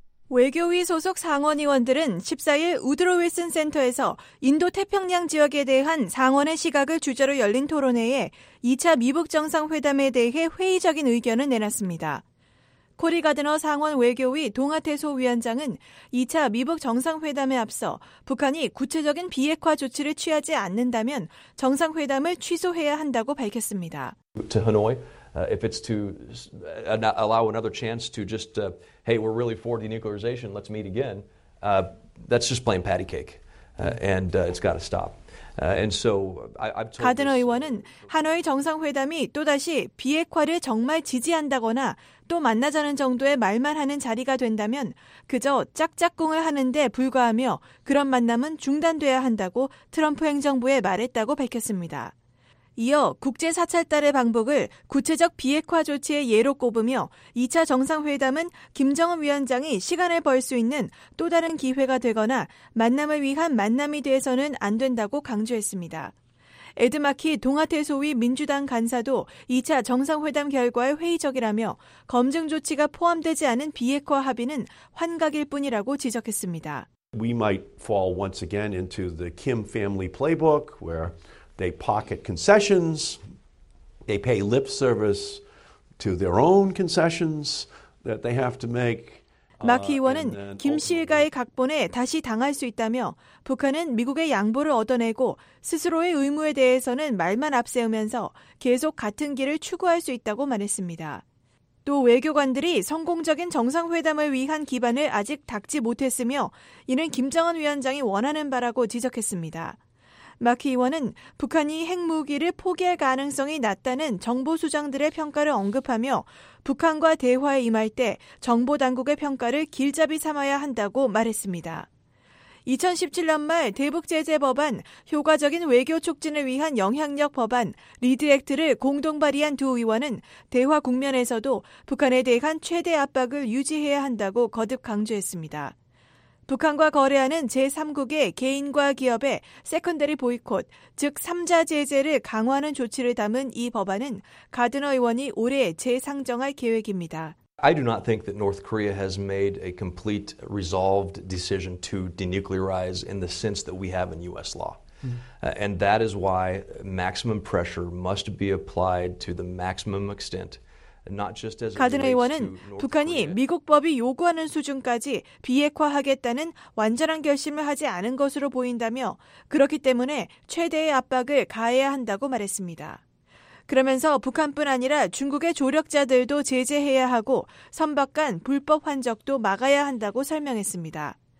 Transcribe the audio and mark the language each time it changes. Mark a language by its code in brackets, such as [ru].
[ko] 외교위 소속 상원의원들은 14일 우드로 윌슨 센터에서 인도태평양 지역에 대한 상원의 시각을 주제로 열린 토론회에 2차 미북 정상회담에 대해 회의적인 의견을 내놨습니다. 코리 가드너 상원 외교위 동아태소 위원장은 2차 미북 정상회담에 앞서 북한이 구체적인 비핵화 조치를 취하지 않는다면 정상회담을 취소해야 한다고 밝혔습니다. [en] To Hanoi, if it's to allow another chance to just, hey, we're really for denuclearization, let's meet again, that's just plain patty cake, and it's got to stop. And so I've told [ko] 가드너 의원은 하노이 정상회담이 또다시 비핵화를 정말 지지한다거나 또 만나자는 정도의 말만 하는 자리가 된다면 그저 짝짝꿍을 하는 데 불과하며 그런 만남은 중단돼야 한다고 트럼프 행정부에 말했다고 밝혔습니다. 이어 국제 사찰단의 방북을 구체적 비핵화 조치의 예로 꼽으며 2차 정상회담은 김정은 위원장이 시간을 벌 수 있는 또 다른 기회가 되거나 만남을 위한 만남이 돼서는 안 된다고 강조했습니다. 에드 마키 동아태소위 민주당 간사도 2차 정상회담 결과에 회의적이라며 검증 조치가 포함되지 않은 비핵화 합의는 환각일 뿐이라고 지적했습니다. [en] We might fall once again into the Kim family playbook where they pocket concessions, they pay lip service to their own concessions that they have to make. [ko] 마키 의원은 김 씨 일가의 각본에 다시 당할 수 있다며 북한은 미국의 양보를 얻어내고 스스로의 의무에 대해서는 말만 앞세우면서 계속 같은 길을 추구할 수 있다고 말했습니다. 또 외교관들이 성공적인 정상회담을 위한 기반을 아직 닦지 못했으며 이는 김정은 위원장이 원하는 바라고 지적했습니다. 마키 의원은 북한이 핵무기를 포기할 가능성이 낮다는 정보 수장들의 평가를 언급하며 북한과 대화에 임할 때 정보 당국의 평가를 길잡이 삼아야 한다고 말했습니다. 2017년 말 대북 제재 법안, 효과적인 외교 촉진을 위한 영향력 법안, 리드 액트를 공동 발의한 두 의원은 대화 국면에서도 북한에 대한 최대 압박을 유지해야 한다고 거듭 강조했습니다. 북한과 거래하는 제3국의 개인과 기업의 세컨더리 보이콧, 즉 3자 제재를 강화하는 조치를 담은 이 법안은 가드너 의원이 올해 재상정할 계획입니다. [en] I do not think that North Korea has made a complete resolved decision to denuclearize in the sense that we have in U.S. law. And that is why maximum pressure must be applied to the maximum extent. [ko] 가든 의원은 북한이 미국법이 요구하는 수준까지 비핵화하겠다는 완전한 결심을 하지 않은 것으로 보인다며 그렇기 때문에 최대의 압박을 가해야 한다고 말했습니다. 그러면서 북한뿐 아니라 중국의 조력자들도 제재해야 하고 선박 간 불법 환적도 막아야 한다고 설명했습니다.